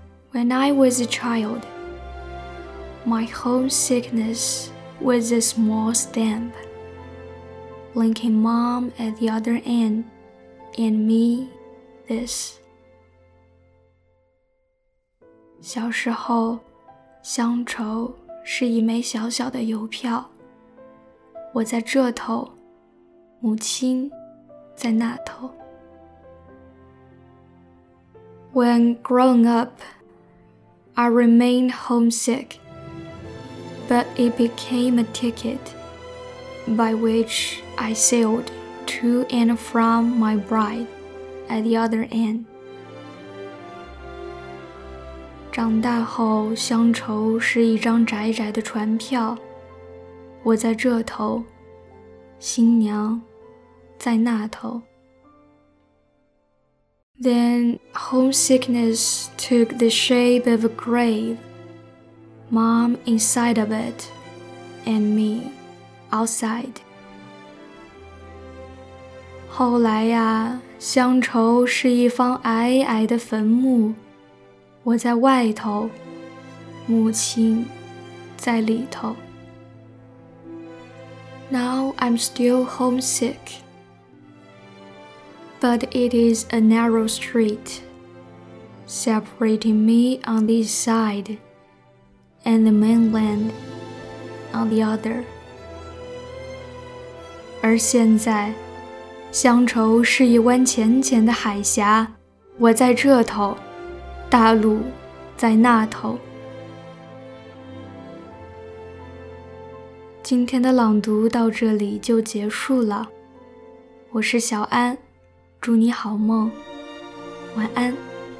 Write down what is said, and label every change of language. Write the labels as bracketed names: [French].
[English] When I was a child, my homesickness was a small stamp, linking mom at the other end and me this. [Chinese] 小时候，乡愁是一枚小小的邮票，我在这头，母亲在那头。 [English] When grown up,I remained homesick, but it became a ticket by which I sailed to and from my bride at the other end. [Chinese] 长大后，乡愁是一张窄窄的船票，我在这头，新娘在那头。 [English] Then homesickness took the shape of a grave, mom inside of it, and me outside. [Chinese] 后来呀，乡愁是一方矮矮的坟墓，我在外头，母亲在里头。 [English] Now I'm still homesick. But it is a narrow street, separating me on this side and the mainland on the other. [Chinese] 而现在，乡愁是一湾浅浅的海峡，我在这头，大陆在那头。今天的朗读到这里就结束了，我是小安。祝你好梦，晚安。